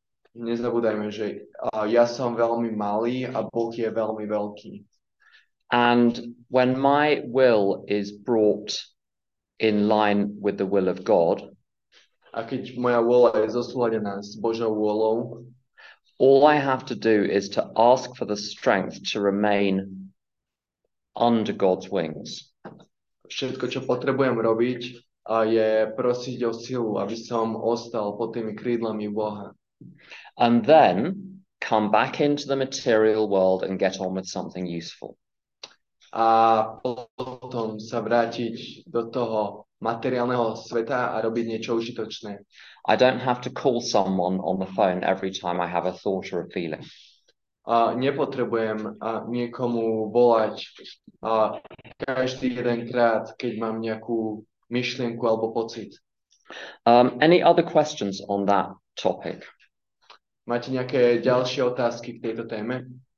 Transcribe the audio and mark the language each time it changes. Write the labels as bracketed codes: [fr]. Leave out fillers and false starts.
[sk] Nezabúdajme, že ja som veľmi malý a Boh je veľmi veľký. [en] And when my will is brought in line with the will of God, [sk] a keď moja vôľa je zosúladená s Božou vôľou, [en] all I have to do is to ask for the strength to remain under God's wings. [sk] Všetko, čo potrebujem robiť, je prosiť o silu, aby som ostal pod tými krídlami Boha. [en] And then come back into the material world and get on with something useful. [sk] A potom sa vrátiť do toho materiálneho sveta a robiť niečo užitočné. [en] I don't have to call someone on the phone every time I have a thought or a feeling. [sk] Nepotrebujem niekomu volať každý jeden krát, keď mám nejakú myšlienku alebo pocit. [en] Any other questions on that topic? [sk] Máte nejaké ďalšie otázky k tejto téme?